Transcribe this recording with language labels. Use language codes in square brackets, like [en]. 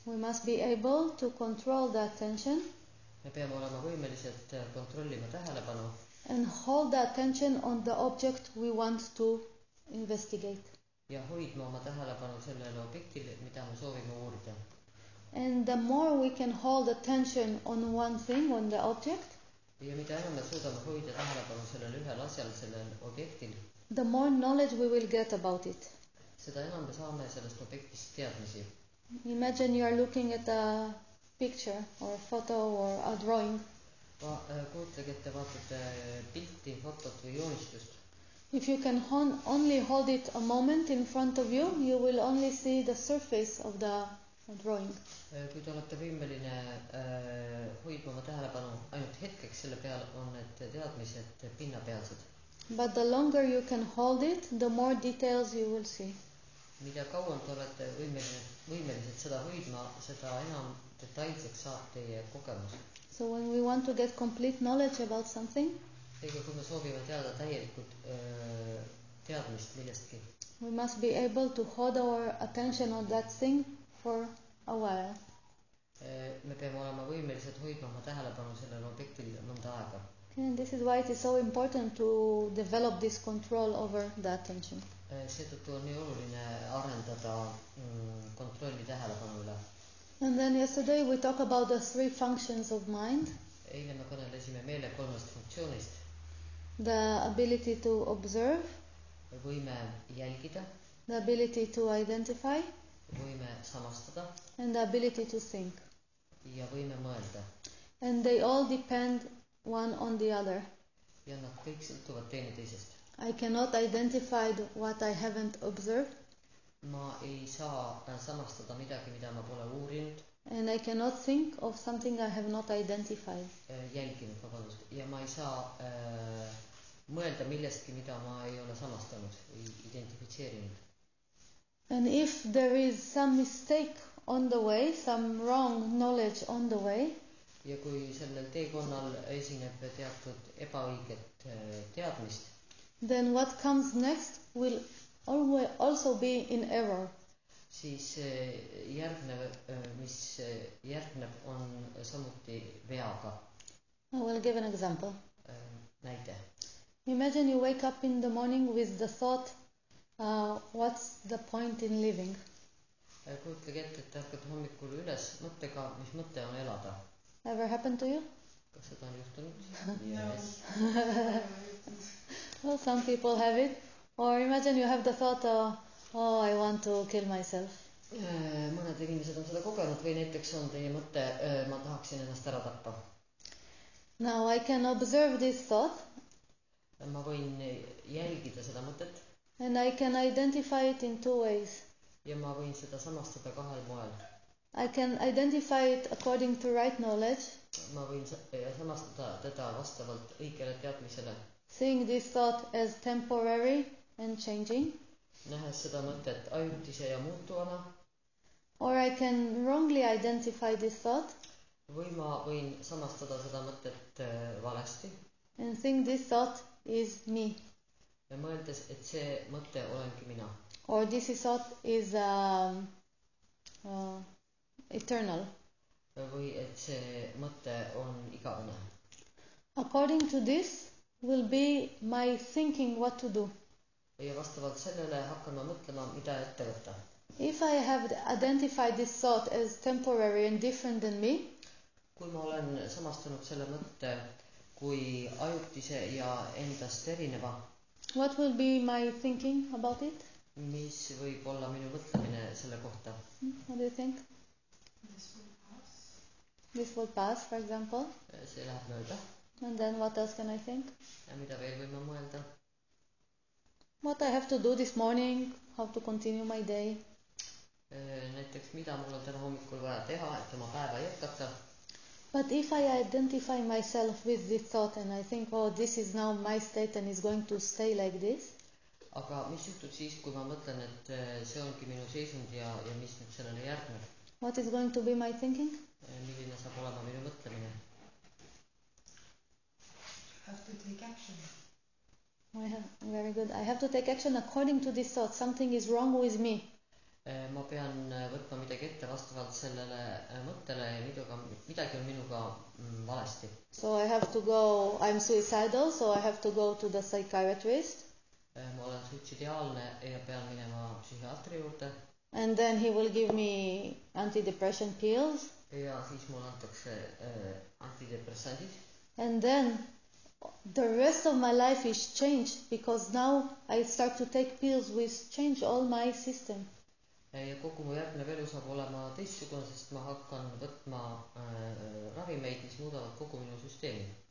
[en] we must be able to control the attention. [et] Me peame olema võimelised kontrollima tähelepanu. [en] And hold the attention on the object we want to investigate. [et] Ja hoidma oma tähelepanu sellele objektile, mida me soovime uurida. [en] And the more we can hold attention on one thing, on the object, [et] ja mida enam me suudame hoida tähelepanu sellel ühel asjal, sellel objektil, [en] the more knowledge we will get about it. [et] Seda enam me saame sellest objektist teadmisi. [en] Imagine you are looking at a picture or a photo or a drawing. [et] Kujutage, et te vaatate pilti, fotot või joonistust. [en] If you can only hold it a moment in front of you, you will only see the surface of the drawing. [et] Kui te olete võimeline hoidma oma tähelepanu ainult hetkeks, selle peal on need teadmised pinnapealsed. [en] But the longer you can hold it, the more details you will see. [et] Mida kauem te olete võimelised seda hoidma, seda enam detailseks saab teie kokemus. [en] So when we want to get complete knowledge about something, [et] seega kui me soovime teada täielikult teadmist millestki, [en] we must be able to hold our attention on that thing for a while. [et] Me peame olema võimelised hoidma oma tähelepanu sellel objektil mõnda aega. [en] And this is why it is so important to develop this control over the attention. [et] Seetõttu on nii oluline arendada kontrolli tähelepanu üle. [en] And then yesterday we talked about the three functions of mind. [et] Eile me kõnelesime meele kolmest funktsioonist. [en] The ability to observe. [et] Võime jälgida. [en] The ability to identify. [et] Võime samastada. [en] And the ability to think. [et] ja võime mõelda. [en] And they all depend one on the other. [et] Ja nad kõik sõltuvad teine teisest. [en] I cannot identify what I haven't observed. [et] Ma ei saa samastada midagi, mida ma pole uurinud. [en] And I cannot think of something I have not identified. [et] Jälginud, vabandust. Ja ma ei saa mõelda millestki, mida ma ei ole samastanud, identifitseerinud. [en] And if there is some mistake on the way, some wrong knowledge on the way, [et] ja kui sellel teekonnal esineb teatud ebaõiget teadmist, [en] then what comes next will always also be in error. [et] Siis järgnev, mis järgneb, on samuti veaga. [en] I will give an example. [et] Näite. [en] Imagine you wake up in the morning with the thought, what's the point in living? [et] Kujutlege ette, et hakkad hommikul üles mõttega, mis mõte on elada. [en] Ever happened to you? [et] Kas seda on juhtunud? [en] Yes. Well, some people have it. Or imagine you have the thought, I want to kill myself. [et] Mõned inimesed on seda kogenud või näiteks on teie mõte, ma tahaksin ennast ära tappa. [en] Now I can observe this thought. [et] Ma võin jälgida seda mõtet. [en] And I can identify it in two ways. [et] Ja ma võin seda samastada kahel moel. [en] I can identify it according to right knowledge. [et] Ma võin samastada teda vastavalt õigele teadmisele. [en] Seeing this thought as temporary and changing. [et] Nähes seda mõtet ajutise ja muutuvana. [en] Or I can wrongly identify this thought. [et] Või ma võin samastada seda mõtet valesti. [en] And think this thought is me. [et] Ja mõeldes, et see mõte olenki mina. [en] Or this thought is eternal. [et] Või et see mõte on igavene. [en] According to this will be my thinking what to do. [et] Ja vastavalt sellele hakkan ma mõtlema, mida ette võtta. [en] If I have identified this thought as temporary and different than me, [et] kui ma olen samastanud selle mõtte kui ajutise ja endast erineva, [en] what will be my thinking about it? [et] Mis võib olla minu mõtlemine selle kohta? [en] What do you think? This will pass, for example. [et] See läheb mööda. [en] And then what else can I think? [et] Ja mida veel võime mõelda? [en] What I have to do this morning, how to continue my day. [et] Näiteks, mida mul on täna hommikul vaja teha, et oma päeva jätkata. [en] But if I identify myself with this thought and I think, oh, this is now my state and it's going to stay like this. [et] Aga mis juhtub siis, kui ma mõtlen, et see ongi minu seisund ja mis nüüd sellele järgneb? [en] What is going to be my thinking? [et] Milline saab olema minu mõtlemine? [en] Have to take action. Very good. I have to take action according to this thought. Something is wrong with me. [et] Ma pean võtma midagi ette vastavalt sellele mõttele ja midagi on minuga valesti. [en] So I have to go, I'm suicidal, so I have to go to the psychiatrist. [et] Ma olen suitsidiaalne ja pean minema psühhiaatri juurde. [en] And then he will give me antidepressant pills. [et] Ja siis mul antakse antidepressantid. [en] And then the rest of my life is changed because now I start to take pills which change all my system. [et] Ja kogu mu järgnev elu saab olema teistsugune, sest ma hakkan võtma ravimeid, mis muudavad kogu minu süsteemi.